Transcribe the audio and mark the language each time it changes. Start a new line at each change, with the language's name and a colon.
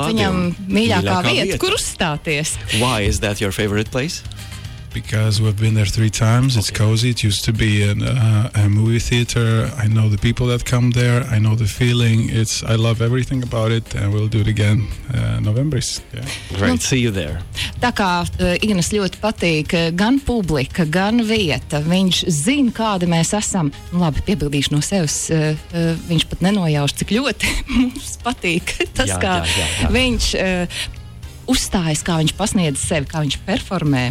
Latvian: Un tā esot viņam mīļākā vieta, kur uzstāties.
English: Why is that your favorite place? Because we've been there 3 times, it's cozy, it used to be a movie theater, I know the people that come there, I know the feeling, I love everything about it, and we'll do it again Novembris. Yeah. Great, see you there.
Latvian: Tā kā Ignas ļoti patīk, gan publika, gan vieta, viņš zina, kādi mēs esam, labi, piebildīšu no sevis, viņš pat nenojauš, cik ļoti mums patīk tas, jā, kā jā. Viņš... uzstājas, kā viņš pasniedz sevi, kā viņš performē.